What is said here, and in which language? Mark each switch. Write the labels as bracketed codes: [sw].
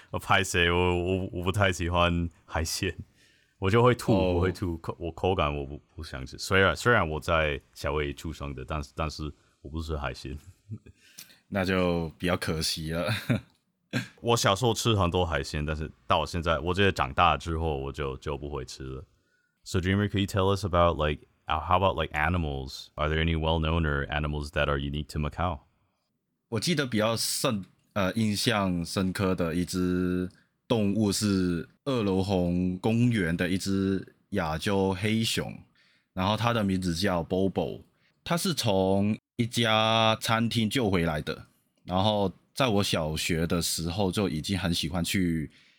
[zh] 我不太喜欢海鲜，我就会吐， oh. 我会吐，我口感我不想吃。虽然我在夏威夷出生的，但是我不吃海鲜，那就比较可惜了。我小时候吃很多海鲜，但是到现在，我觉得长大之后我就不会吃了。 [en] So Dreamer, could you tell us about like how about like animals? Are there any well-known or animals that are unique to Macau? [zh] 我记得比较印象深刻的一只动物是二楼红公园的一只亚洲黑熊，然后它的名字叫 Bobo， 它是从一家餐厅救回来的，然后在我小学的时候就已经很喜欢去